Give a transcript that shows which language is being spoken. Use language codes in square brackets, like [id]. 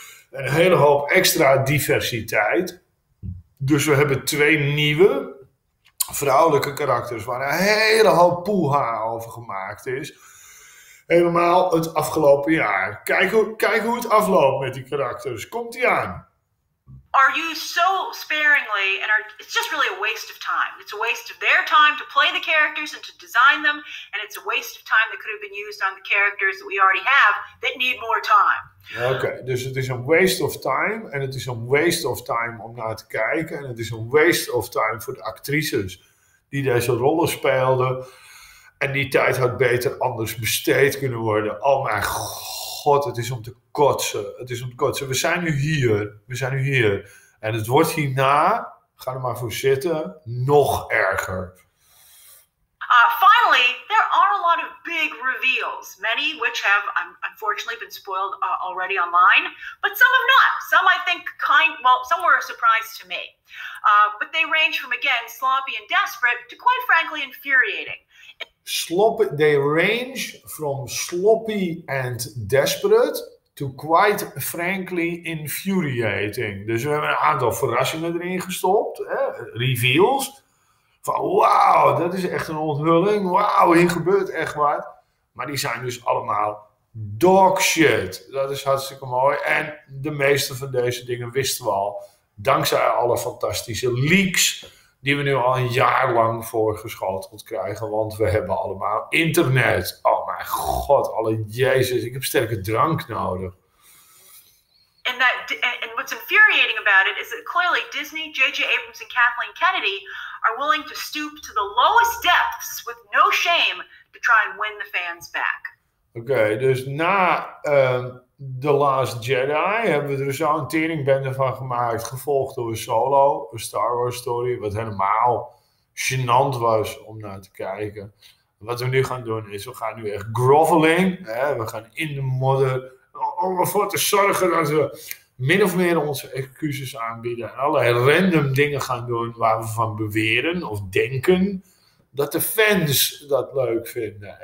[nl] Een hele hoop extra diversiteit. Dus we hebben 2 nieuwe vrouwelijke karakters waar een hele hoop poeha over gemaakt is. Helemaal het afgelopen jaar. Kijk hoe het afloopt met die karakters. Komt ie aan. [en] Are used so sparingly and it's just really a waste of time. It's a waste of their time to play the characters and to design them, and it's a waste of time that could have been used on the characters that we already have that need more time. [nl] Okay, dus het is een [en] waste of time [nl] en het is een waste of time om naar te kijken en het is een waste of time voor de actrices die deze rollen speelden en die tijd had beter anders besteed kunnen worden. Oh mijn god, het is om te kotsen. Het is om te kotsen. We zijn nu hier. We zijn nu hier. En het wordt hierna, ga er maar voor zitten, nog erger. [en] Finally, there are a lot of big reveals. Many which have unfortunately been spoiled already online. But some have not. Some I think some were a surprise to me. But they range from, again, sloppy and desperate to quite frankly infuriating. sloppy, they range from sloppy and desperate to quite frankly infuriating. [nl] Dus we hebben een aantal verrassingen erin gestopt, hè? Reveals. Van wauw, dat is echt een onthulling. Wauw, hier gebeurt echt wat. Maar die zijn dus allemaal [en] dog shit. [nl] Dat is hartstikke mooi. En de meeste van deze dingen wisten we al. Dankzij alle fantastische leaks die we nu al een jaar lang voorgeschoteld krijgen. Want we hebben allemaal internet. Oh mijn god, alle Jezus, ik heb sterke drank nodig. [en] And what's infuriating about it is that clearly Disney, J.J. Abrams and Kathleen Kennedy are willing to stoop to the lowest depths with no shame to try and win the fans back. [nl] Okay, dus na The Last Jedi hebben we er zo'n teringbende van gemaakt, gevolgd door Solo, een Star Wars story, wat helemaal gênant was om naar te kijken. Wat we nu gaan doen is, we gaan nu echt groveling, hè? We gaan in de modder om ervoor te zorgen dat we min of meer onze excuses aanbieden en allerlei random dingen gaan doen waar we van beweren of denken dat de fans dat leuk vinden.